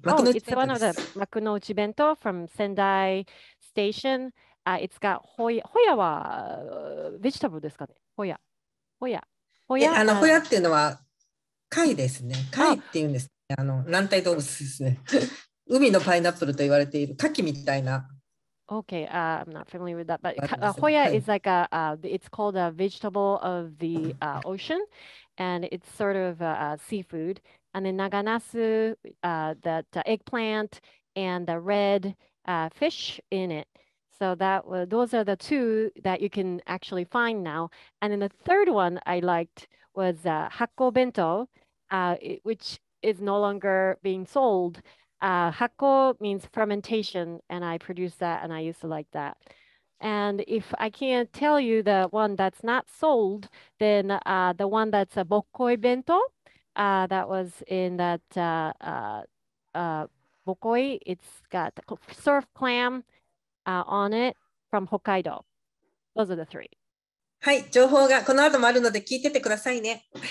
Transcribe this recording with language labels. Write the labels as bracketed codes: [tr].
[ja] 幕の内弁当です。幕の内弁当 [en] from Sendai Station. It's got [ja] ホヤはベジタブルですかね。ホヤ。あのホヤっていうのは貝ですね。貝っていうんです、ね。あの軟体動物ですね。海のパイナップルと言われている牡蠣みたいな。 [en] Okay, I'm not familiar with that, but hoya is like a, it's called a vegetable of the ocean, and it's sort of a seafood. And then naganasu, that eggplant, and the red fish in it. So that those are the two that you can actually find now. And then the third one I liked was hakko bento, which is no longer being sold. Hakko means fermentation, and I produce that, and I used to like that. And if I can't tell you the one that's not sold, then the one that's a bokkoi bento, that was in that bokkoi, it's got surf clam on it from Hokkaido. Those are the three. [ja] はい、情報がこの後もあるので聞いててくださいね。